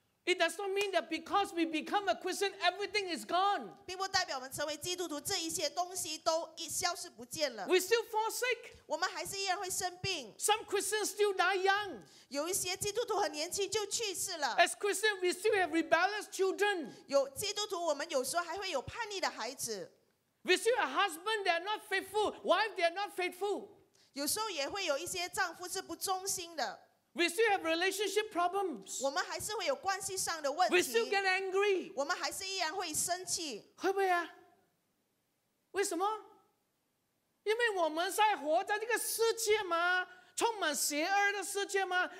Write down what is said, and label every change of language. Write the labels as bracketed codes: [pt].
[en] It does not mean that because we become a Christian, everything is gone. [zh] 并不代表我们成为基督徒，这一些东西都消失不见了。 [en] We still fall sick. [zh] 我们还是依然会生病。 [en] Some Christians still die young. [zh] 有一些基督徒很年轻就去世了。 [en] As Christians, we still have rebellious children. [zh] 有基督徒，我们有时候还会有叛逆的孩子。 [en] We still have husbands that are not faithful, wives that are not faithful. [zh] 有时候也会有一些丈夫是不忠心的。 [en] We still have relationship problems. [zh] 我们还是会有关系上的问题。 [en] We still get angry. [zh] 我们还是依然会生气。会不会啊？为什么？因为我们在活在这个世界吗？充满邪恶的世界吗？